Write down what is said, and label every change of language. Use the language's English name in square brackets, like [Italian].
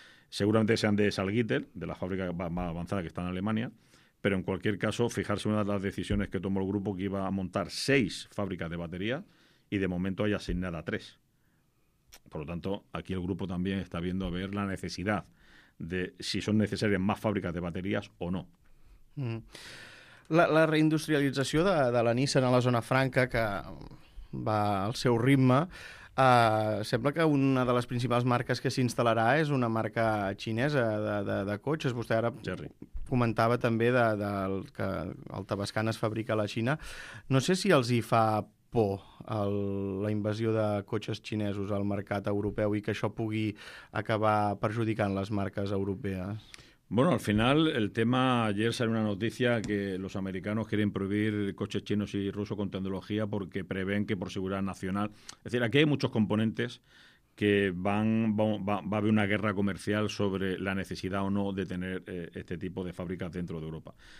[Spanish] Seguramente sean de Salzgitter, de la fábrica más avanzada que está en Alemania, pero en cualquier caso, fijarse una de las decisiones que tomó el grupo, que iba a montar 6 fábricas de batería y de momento hay asignada 3. Por lo tanto, aquí el grupo también está viendo a ver la necesidad de si son necesarias más fábricas de baterías o no. [Catalan] La reindustrialització de la Nissan a la zona franca, que va al seu ritme, sembla que una de les principals marques que s'instal·larà és una marca xinesa de cotxes. Vostè ara Jerry comentava també de que el Tabascan es fabrica a la Xina. No sé si els hi fa por la invasió de cotxes xinesos al mercat europeu i que això pugui acabar perjudicant les marques europees. [Spanish] Bueno, al final el tema, ayer salió una noticia que los americanos quieren prohibir coches chinos y rusos con tecnología porque prevén que por seguridad nacional, es decir, aquí hay muchos componentes que va a haber una guerra comercial sobre la necesidad o no de tener este tipo de fábricas dentro de Europa.